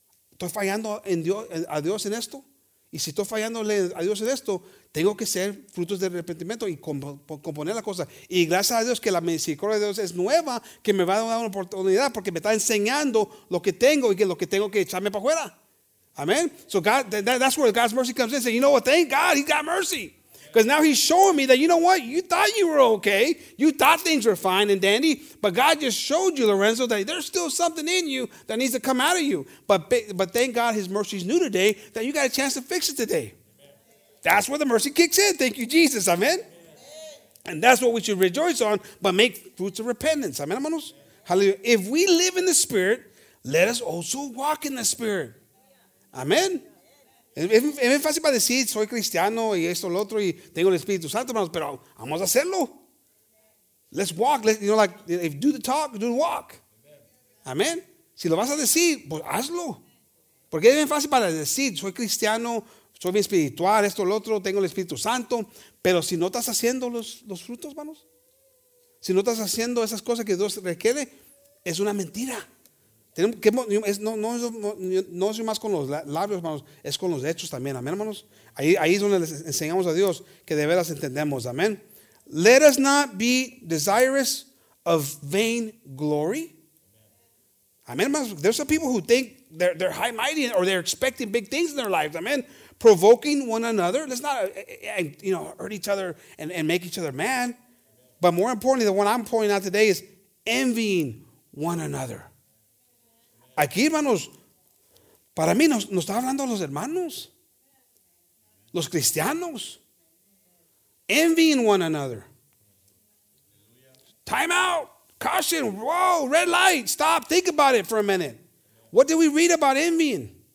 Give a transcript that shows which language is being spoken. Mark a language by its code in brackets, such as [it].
[es] ¿Estoy fallando a Dios en esto? Y si estoy fallándole a Dios en esto, tengo que ser frutos de arrepentimiento y componer la cosa. Y gracias a Dios que la misericordia de Dios es nueva, que me va a dar una oportunidad porque me está enseñando lo que tengo y que lo que tengo que echarme para afuera. Amen. [en] So God, that's where God's mercy comes in. Say, you know what? Thank God he got mercy. Because now he's showing me that, you know what? You thought you were okay. You thought things were fine and dandy. But God just showed you, Lorenzo, that there's still something in you that needs to come out of you. But thank God his mercy is new today, that you got a chance to fix it today. Amen. That's where the mercy kicks in. Thank you, Jesus. Amen. Amen. And that's what we should rejoice on, but make fruits of repentance. Amen, hermanos. Hallelujah. If we live in the Spirit, let us also walk in the Spirit. [es] Amén. Es muy fácil para decir, soy cristiano y esto, lo otro, y tengo el Espíritu Santo, hermanos, pero vamos a hacerlo. [en] Let's walk. You know, like, if do the talk, do the walk. Amén. [es] Si lo vas a decir, pues hazlo. Porque es muy fácil para decir, soy cristiano, soy bien espiritual, esto, lo otro, tengo el Espíritu Santo, pero si no estás haciendo los frutos, hermanos, si no estás haciendo esas cosas que Dios requiere, es una mentira. No es más con los labios, hermanos, es con los hechos también, amén, hermanos. Ahí es donde les enseñamos a Dios que de veras entendemos, amén. [en] Let us not be desirous of vain glory. Amén, hermanos. There's some people who think they're high mighty or they're expecting big things in their lives, amén. Provoking one another. Let's not, you know, hurt each other and make each other mad. But more importantly, the one I'm pointing out today is envying one another. [es] Aquí, hermanos, para mí nos está hablando los hermanos, los cristianos. [en] Envying one another. Time out. Caution. Whoa, red light. Stop. Think about it for a minute. What did we read about envying?